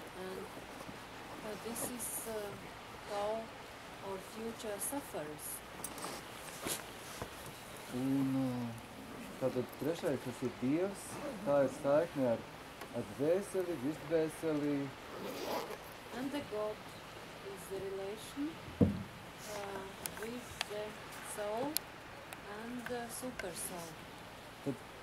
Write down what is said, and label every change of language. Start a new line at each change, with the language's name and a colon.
English: And this is how our future suffers.
Latvian: Un tātad trešais, kas ir Dievs, tā ir saikne ar dvēseli, visdvēseli.
English: And the God is the relation with the soul and the super soul.